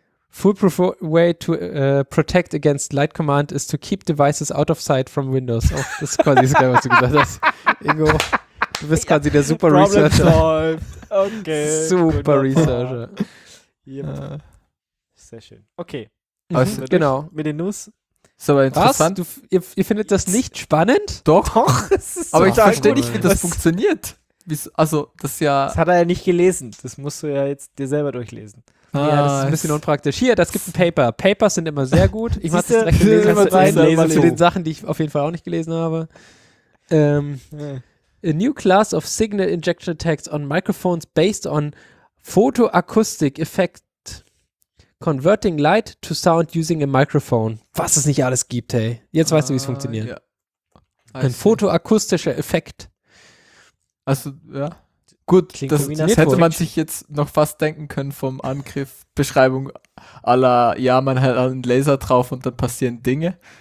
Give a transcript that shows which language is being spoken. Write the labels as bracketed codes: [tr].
[en] Foolproof way to protect against light command is to keep devices out of sight from Windows. [de] Oh, das ist quasi geil, was du gesagt hast. Ingo. Du bist quasi der super Problem [en] Researcher. Solved. Okay. Super Researcher. [de] Yep. Sehr schön. Okay. Also, genau. Mit den News. So interessant. Was? Ihr findet das nicht spannend? Doch. Doch. Aber ich verstehe nicht, wie das funktioniert. Also, das ist ja. Das hat er ja nicht gelesen. Das musst du ja jetzt dir selber durchlesen. Ah, ja, das ist ein bisschen unpraktisch. Hier, das gibt ein Paper. Papers sind immer sehr gut. Ich mach das direkt gelesen. Zu den Sachen, die ich auf jeden Fall auch nicht gelesen habe. [en] A new class of signal injection attacks on microphones based on photoacoustic effect converting light to sound using a microphone. [de] Was es nicht alles gibt, hey. Jetzt weißt du, wie es funktioniert. [en] Yeah. [de] Ein photoakustischer Effekt. Also, ja. Gut, das hätte man sich jetzt noch fast denken können vom Angriff, Beschreibung à la, ja, man hat einen Laser drauf und dann passieren Dinge.